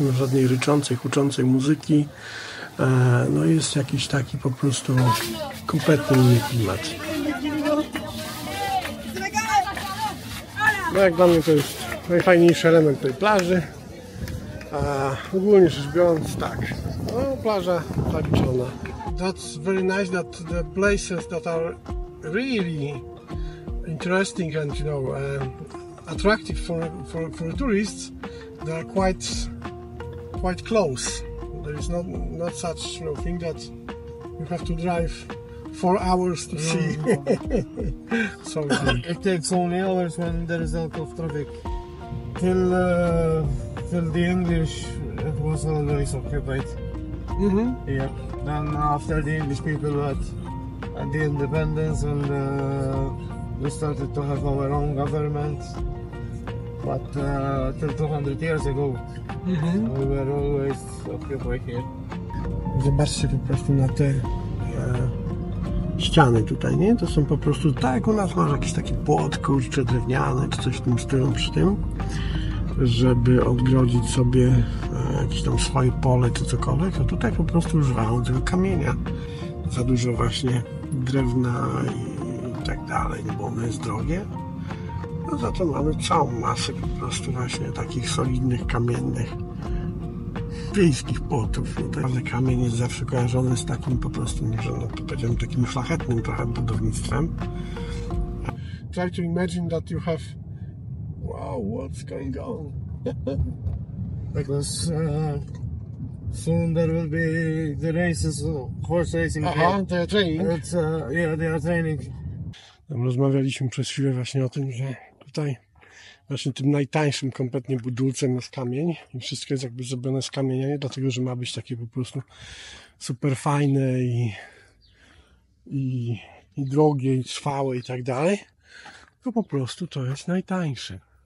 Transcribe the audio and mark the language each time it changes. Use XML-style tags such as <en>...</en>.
<pl>Nie ma żadnej ryczącej, huczącej muzyki. No jest jakiś taki po prostu kompletnie inny klimat. No jak dla mnie to jest najfajniejszy element tej plaży. Ogólnie rzecz biorąc, tak. No plaża zaliczona.</pl> <en>That's very nice that the places that are really interesting and you know attractive for tourists, they are quite close. There is not such you know, thing that you have to drive 4 hours to see. So it takes only hours when there is a lot of traffic. Till the English, it was always occupied. Mm-hmm. Yeah. Then after the English people had the independence and we started to have our own government, but till 200 years ago, mm-hmm. We were always occupied here.</en> <pl>Zobaczcie po prostu na te ściany tutaj, nie? To są po prostu tak jak u nas, masz jakieś takie płotko, czy drewniane, czy coś w tym stylu przy tym, żeby odgrodzić sobie jakieś tam swoje pole, czy cokolwiek, to tutaj po prostu używają tego kamienia. Za dużo właśnie drewna i tak dalej, bo ono jest drogie. No za to mamy całą masę po prostu właśnie takich solidnych, kamiennych wiejskich płotów. Każdy kamień jest zawsze kojarzony z takim po prostu, że no, powiedziałem, takim szlachetnym trochę budownictwem.</pl> <en>Try to imagine that you have... Wow, what's going on? Because soon there will be the races, horse racing. Aha, they are training. They are training.</en> <pl>Tam rozmawialiśmy przez chwilę właśnie o tym, że tutaj właśnie tym najtańszym kompletnie budulcem jest kamień i wszystko jest jakby zrobione z kamienia, nie dlatego, że ma być takie po prostu super fajne i drogie i trwałe i tak dalej, tylko po prostu to jest najtańsze.</pl>